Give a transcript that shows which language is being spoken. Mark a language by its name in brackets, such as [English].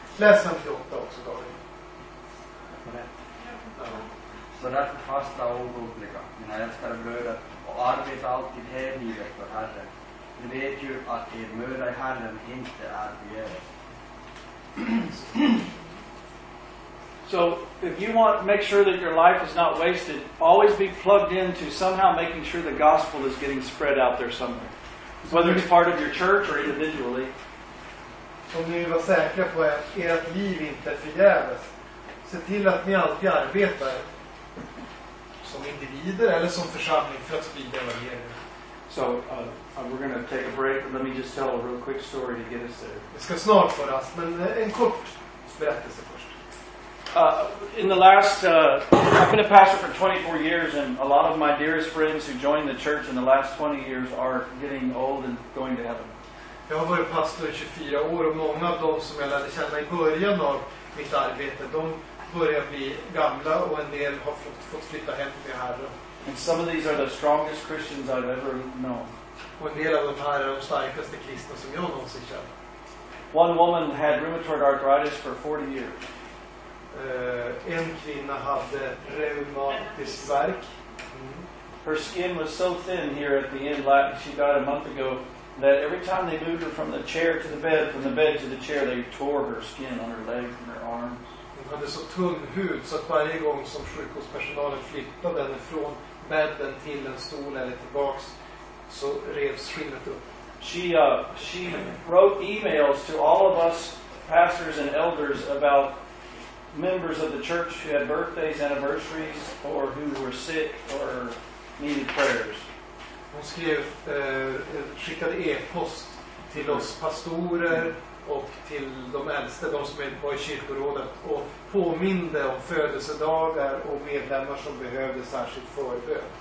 [Swedish] Läs 58 också, David. Så därför fasta och oroliga, mina älskade bröder, och arbeta alltid hängivet för Herren. Ni vet ju att er möda i Herren inte är förgäves. [English] So if you want to make sure that your life is not wasted, always be plugged into somehow making sure the gospel is getting spread out there somewhere. Whether it's part of your church or individually. [Swedish] Om ni vill vara säkra på att ert liv inte är förgäves, se till att ni alltid arbetar som individer eller som församling för att sprida evangeliet. [English] So we're going to take a break, but let me just tell a real quick story to get us there. [Swedish] Vi ska snart för oss, men en kort berättelse först. [English] In the last, I've been a pastor for 24 years, and a lot of my dearest friends who joined the church in the last 20 years are getting old and going to heaven. [Swedish] Jag har varit pastor i 24 år, och många av dem som jag lärde känna i början av mitt arbete, de börjar bli gamla, och en del har fått flytta hem till Herren. [English] And some of these are the strongest Christians I've ever known. [Swedish] Och en del av dem här är de starkaste kristna som jag någonsin känner. [English] One woman had rheumatoid arthritis for 40 years. [Swedish] En kvinna hade reumatisk värk. [English] Her skin was so thin here at the end, like she got a month ago, that every time they moved her from the chair to the bed, from the bed to the chair, they tore her skin on her legs and her arms. [Swedish] Hon hade så tunn hud så att varje gång som sjukhuspersonalen flyttade henne från bädden till en stol eller tillbaks, så revs skinnet upp. [English] She wrote emails to all of us pastors and elders about members of the church who had birthdays, anniversaries, or who were sick or needed prayers. [Swedish] Hon skrev, skickade e-post till oss pastorer och till de äldste, de som var i kyrkorådet, och påminde om födelsedagar och medlemmar som behövde särskilt förbön.